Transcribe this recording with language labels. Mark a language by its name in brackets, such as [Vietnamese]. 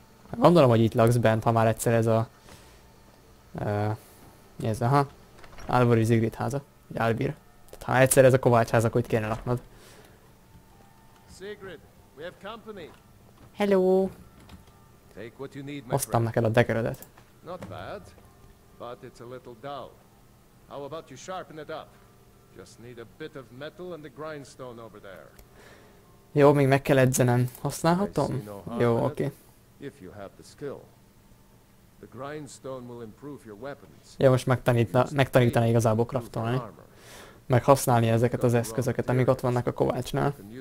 [Hungarian] Gondolom, hogy itt laksz bent, ha már egyszer ez a... ez aha. Alvor és Sigrid háza, vagy Alvir. Tehát ha egyszer ez a kovács ház, akkor itt kéne laknod. [English] Sigrid, we have company. Hello. Take what you need, my friend. [Hungarian] Hoztam neked a dekeredet. [English] Not bad, but it's a little dull. How about you sharpen it up? Just need a bit of metal and the grindstone over there. [Hungarian] Jó, még meg kell edzenem. Használhatom? Jó, oké. [English] If you have the skill. The grindstone will improve your weapons. [Hungarian] Ja, most megtanítaná igazából kraftolni. Meg használni ezeket az eszközöket, amik ott vannak a kovácsnál.